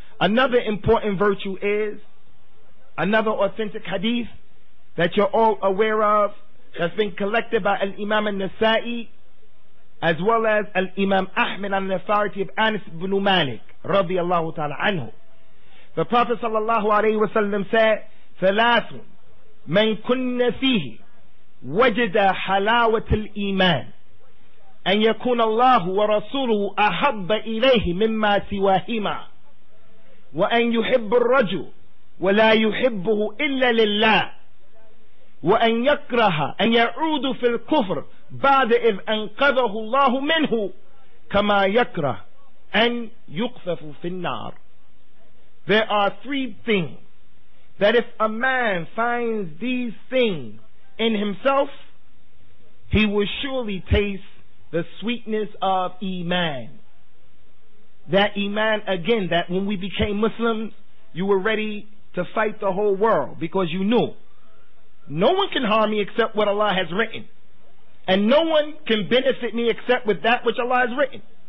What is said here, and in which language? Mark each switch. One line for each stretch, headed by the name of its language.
English: Another important virtue is another authentic hadith that you're all aware of that's been collected by Al-Imam Al-Nasa'i as well as Al-Imam Ahmed on the authority of Anas ibn Malik radiallahu ta'ala anhu. The Prophet sallallahu alayhi wa sallam said,
Arabic: ثَلَاثٌ مَنْ كُنَّ فِيهِ وَجَدَ حَلَاوَةَ الْإِيمَانِ أَنْ يَكُونَ اللَّهُ وَرَسُولُهُ أَحَبَّ إِلَيْهِ مِمَّا سِوَاهِمَا وَأَنْ يُحِبُّ الرَّجُلُ وَلَا يُحِبُّهُ إِلَّا لِلَّهِ وَأَنْ يَكْرَهَ أَنْ يَعُودُ فِي الْكُفْرِ بَعْدَ إِذْ أَنْقَذَهُ اللَّهُ مِنْهُ كَمَا يَكْرَهُ أَنْ يُقْذَفُ فِي النَّارِ.
English: There are three things that if a man finds these things in himself, he will surely taste the sweetness of Iman. That Iman, again, that when we became Muslims, you were ready to fight the whole world because you knew no one can harm me except what Allah has written, and no one can benefit me except with that which Allah has written.